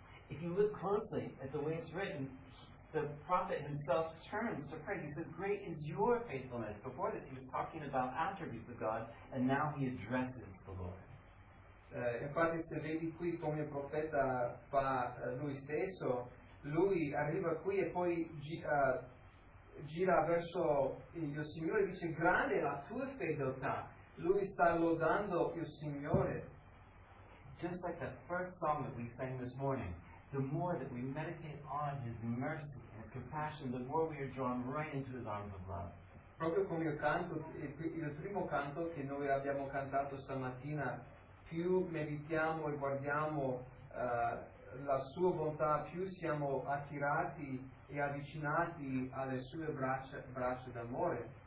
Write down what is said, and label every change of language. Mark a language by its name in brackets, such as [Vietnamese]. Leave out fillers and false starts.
[English] If you look closely at the way it's written, the prophet himself turns to pray. He says, great is your faithfulness. Before this, he was talking about attributes of God, and now he addresses the Lord. [Italian] Infatti, se vedi qui come il profeta fa lui stesso, lui arriva qui e poi gira verso il Signore e dice, grande è la tua fedeltà. Lui sta lodando il Signore. [English] Just like the first song that we sang this morning, the more that we meditate on His mercy and His compassion, the more we are drawn right into His arms of love. [Italian] Proprio come il primo canto che noi abbiamo cantato stamattina, più meditiamo e guardiamo la Sua bontà, più siamo attirati e avvicinati alle Sue braccia d'amore.